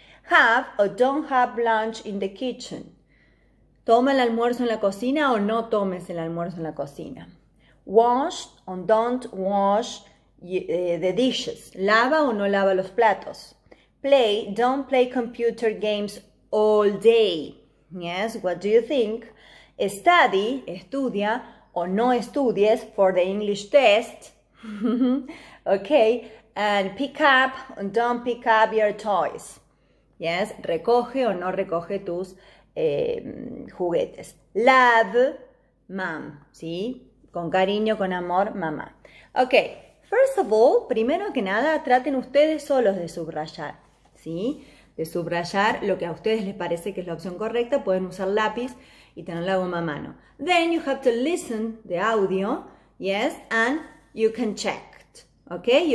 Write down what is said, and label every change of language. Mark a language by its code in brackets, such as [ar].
[en] Have or don't have lunch in the kitchen. [es] ¿Toma el almuerzo en la cocina o no tomes el almuerzo en la cocina? [en] Wash or don't wash the dishes. [es] ¿Lava o no lava los platos? [en] Play, don't play computer games all day. Yes, what do you think? Study, [es] estudia o no estudies [en] for the English test. Okay, and pick up, don't pick up your toys. [es] Yes, recoge o no recoge tus juguetes. [en] Love, mom, [es] ¿sí? Con cariño, con amor, mamá. Okay, [en] first of all, [es] primero que nada, traten ustedes solos de subrayar, ¿sí? De subrayar lo que a ustedes les parece que es la opción correcta. Pueden usar lápiz y tener la goma a mano. [en] Then you have to listen the audio, yes, and you can check it, okay?